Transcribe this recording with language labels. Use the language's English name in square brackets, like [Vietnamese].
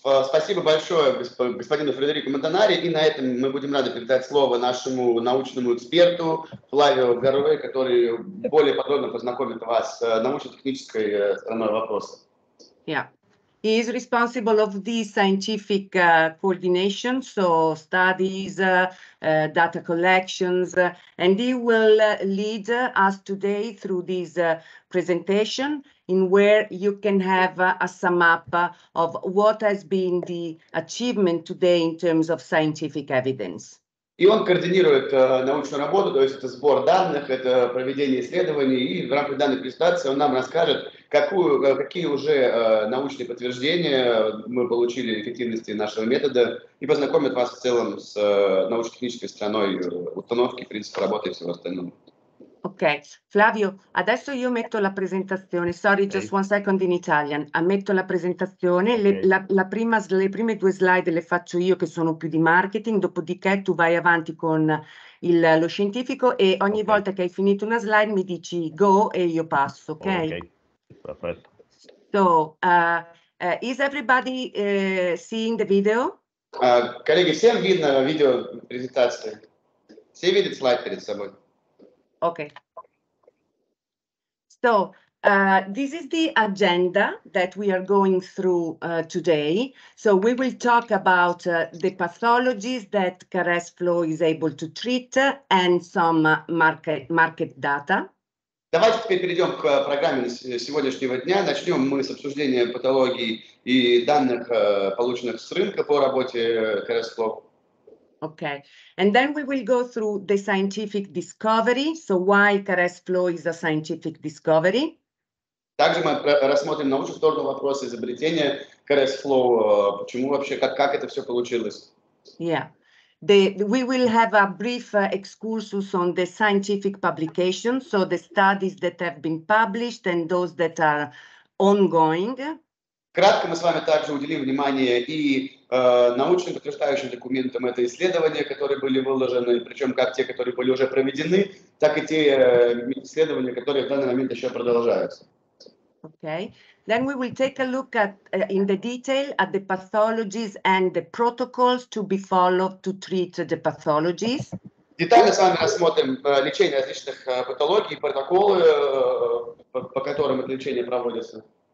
[Russian] Спасибо большое, господину Фредерико Монтанари. И на этом мы будем рады передать слово нашему научному эксперту Флавио Гарове, который более подробно познакомит вас с научно-технической стороной вопроса. [English] Yeah. He is responsible of the scientific coordination, so studies, data collections, and he will lead us today through this presentation, in where you can have a sum up of what has been the achievement today in terms of scientific evidence. [Russian] И он координирует научную работу, то есть это сбор данных, это проведение исследований, и в рамках данной презентации он нам расскажет, какие уже научные подтверждения мы получили эффективности нашего метода, и познакомит вас в целом с научно-технической стороной установки, принципа работы и всего остального. [Italian] Ok, Flavio, adesso io metto la presentazione, sorry, okay. [English] Just one second in Italian, [Italian] ammetto la presentazione, [English] okay. [Italian] Le prime due slide le faccio io che sono più di marketing, dopodiché tu vai avanti con lo scientifico e ogni okay. volta che hai finito una slide mi dici go e io passo, ok? Ok, perfetto. [English] So, is everybody seeing the video? [Italian] Colleghi, [Russian] всем видно видео презентации? Все видят слайд перед собой? [English] Okay. So this is the agenda that we are going through today. So we will talk about the pathologies that CARES Flow is able to treat and some market data. [Russian] Давайте теперь перейдем к программе сегодняшнего дня. Начнем мы с обсуждения патологий и данных, полученных с рынка по работе CARES Flow. [English] Okay, and then we will go through the scientific discovery. So why CARES Flow is a scientific discovery? [Russian] Также мы рассмотрим научную сторону вопроса изобретения CARES Flow. Почему вообще, как это все получилось? [English] Yeah, we will have a brief excursus on the scientific publication. So the studies that have been published and those that are ongoing. [Russian] Кратко мы с вами также уделим внимание и научным подтверждающим документам это исследования, которые были выложены, причем как те, которые были уже проведены, так и те исследования, которые в данный момент еще продолжаются. [English] Okay, then we will take a look at in the detail at the pathologies and the protocols to be followed to treat the pathologies. [Russian] Детально с вами рассмотрим лечение различных патологий, протоколы, по которым это лечение проводится.